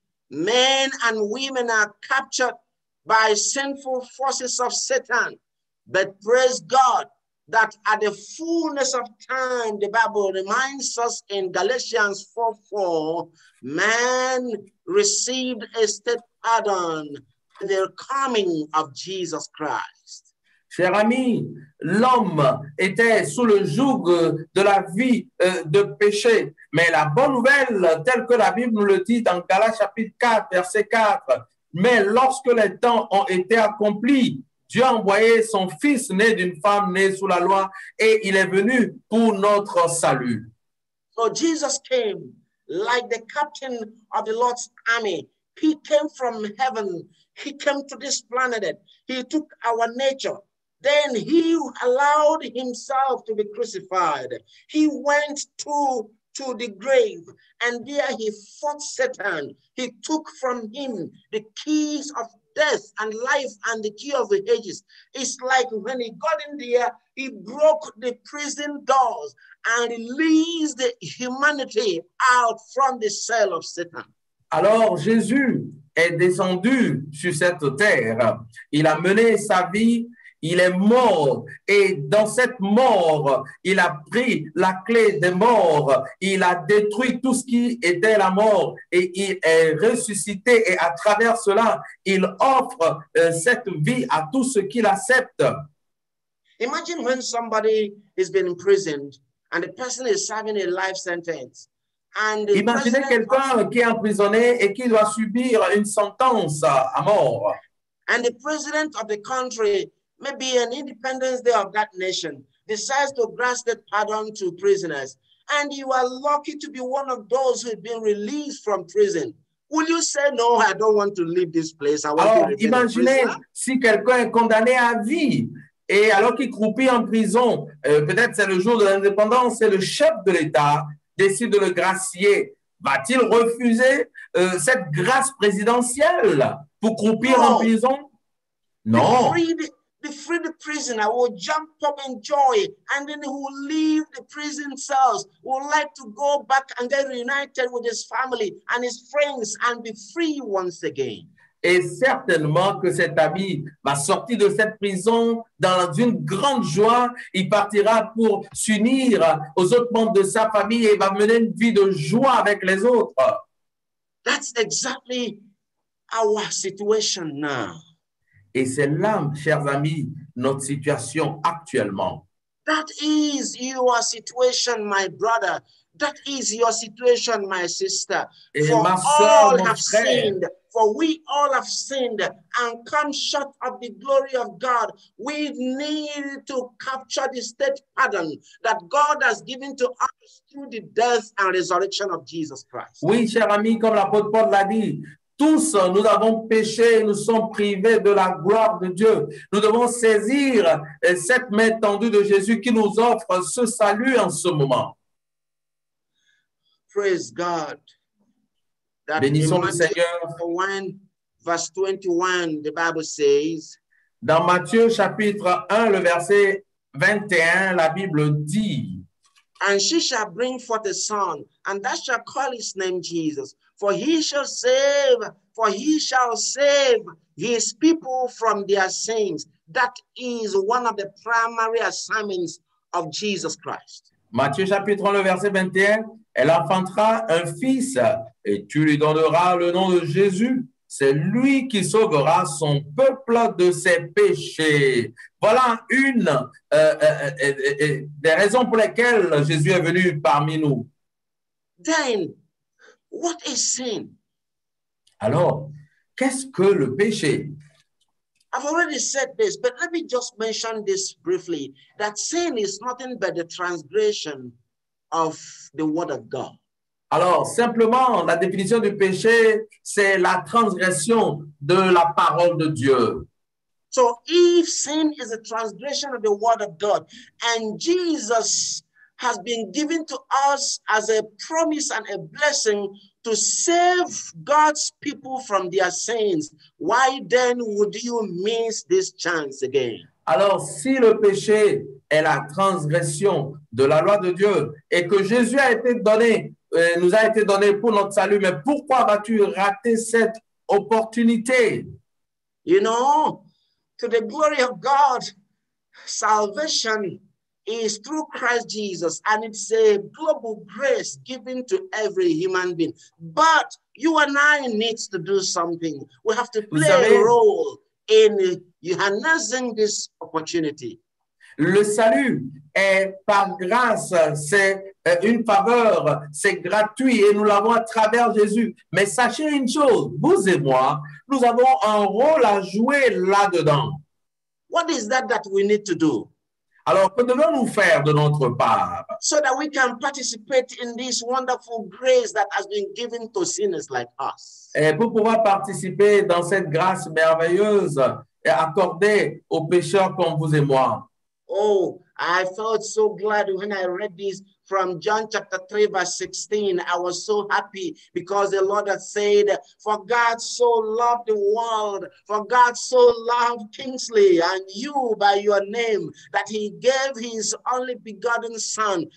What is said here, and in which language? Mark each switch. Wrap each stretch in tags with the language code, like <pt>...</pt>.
<en>Men and women are captured by sinful forces of Satan. But praise God that at the fullness of time, the Bible reminds us in Galatians 4:4, man received a state pardon in the coming of Jesus Christ.</en> <fr>Cher ami, l'homme était sous le joug de la vie de péché, mais la bonne nouvelle, telle que la Bible nous le dit dans Galates chapitre 4, verset 4, mais lorsque les temps ont été accomplis, Dieu a envoyé son fils né d'une femme née sous la loi et il est venu pour notre salut.</fr> <en>So Jesus came like the captain of the Lord's army. He came from heaven. He came to this planet. He took our nature. Then he allowed himself to be crucified. He went to the grave and there he fought Satan. He took from him the keys of death and life and the key of the ages. It's like when he got in there, he broke the prison doors and released humanity out from the cell of Satan.</en> <fr>Alors Jésus est descendu sur cette terre. Il a mené sa vie. Il est mort. Et dans cette mort, il a pris la clé des morts. Il a détruit tout ce qui était la mort. Et il est ressuscité. Et à travers cela, il offre cette vie à tous ceux qui l'acceptent.</fr> <en>Imagine when somebody has been imprisoned and the person is serving a life sentence. And</en> <fr>imaginez quelqu'un qui est emprisonné et qui doit subir une sentence à mort.</fr> <en>And the president of the country, maybe an Independence Day of that nation, decides to grant the pardon to prisoners, and you are lucky to be one of those who have been released from prison. Will you say no? I don't want to leave this place. I want</en> <fr>alors,</fr> <en>to remain</en> <fr>imaginez</fr> <en>a prisoner.</en> <fr>Si quelqu'un est condamné à vie et alors qu'il croupit en prison, peut-être c'est le jour de l'indépendance et le chef de l'État décide de le gracier. Va-t-il refuser cette grâce présidentielle pour croupir en prison? Non.</fr> <en>To free the prisoner, will jump up in joy, and then who leave the prison cells will like to go back and get reunited with his family and his friends and be free once again.</en> <fr>Et certainement que cet ami va sortir de cette prison dans une grande joie. Il partira pour s'unir aux autres membres de sa famille et va mener une vie de joie avec les autres.</fr> <en>That's exactly our situation now.</en> <fr>Et c'est là, chers amis, notre situation actuellement.</fr> <en>That is your situation, my brother. That is your situation, my sister.</en> <fr>Et</fr> <en>for</en> <fr>ma soeur,</fr> <en>all</en> <fr>mon</fr> <en>have</en> <fr>frère.</fr> <en>Sinned, for we all have sinned and come short of the glory of God. We need to capture the state pardon that God has given to us through the death and resurrection of Jesus Christ.</en> <fr>Oui, cher ami, comme l'apôtre Paul l'a dit, tous, nous avons péché, nous sommes privés de la gloire de Dieu. Nous devons saisir cette main tendue de Jésus qui nous offre ce salut en ce moment.</fr> <en>Praise God.</en> <fr>Bénissons le Seigneur.</fr> <en>Verse 21, the Bible says,</en> <fr>dans Matthieu chapitre 1, le verset 21, la Bible dit,</fr> <en>and she shall bring forth a son, and thou shalt call his name Jesus. For he shall save his people from their sins. That is one of the primary assignments of Jesus Christ.</en> <fr>Matthieu chapitre 1, verset 21, elle enfantera un fils et tu lui donneras le nom de Jésus. C'est lui qui sauvera son peuple de ses péchés. Voilà une des raisons pour lesquelles Jésus est venu parmi nous.</fr> <en>Then, what is sin?</en> <fr>Alors, qu'est-ce que le péché?</fr> <en>I've already said this, but let me just mention this briefly, that sin is nothing but the transgression of the word of God.</en> <fr>Alors, simplement, la définition du péché, c'est la transgression de la parole de Dieu.</fr> <en>So, if sin is a transgression of the word of God, and Jesus has been given to us as a promise and a blessing to save God's people from their sins, why then would you miss this chance again?</en> <fr>Alors, si le péché est la transgression de la loi de Dieu et que Jésus a été donné, nous a été donné pour notre salut, mais pourquoi vas-tu rater cette opportunité?</fr> <en>You know, to the glory of God, salvation is through Christ Jesus, and it's a global grace given to every human being. But you and I need to do something. We have to play a role in harnessing this opportunity.</en> <fr>Le salut est par grâce, c'est une faveur, c'est gratuit et nous l'avons à travers Jésus. Mais sachez une chose, vous et moi, nous avons un rôle à jouer là-dedans.</fr> <en>What is that we need to do?</en> <fr>Alors, que devons-nous faire de notre part?</fr> <en>So that we can participate in this wonderful grace that has been given to sinners like us.</en> <fr>Et pour pouvoir participer dans cette grâce merveilleuse et accordée aux pécheurs comme vous et moi.</fr> <en>Oh, I felt so glad when I read this from John chapter 3, verse 16. I was so happy because the Lord had said, for God so loved the world, for God so loved Kingsley and you by your name, that he gave his only begotten son.</en>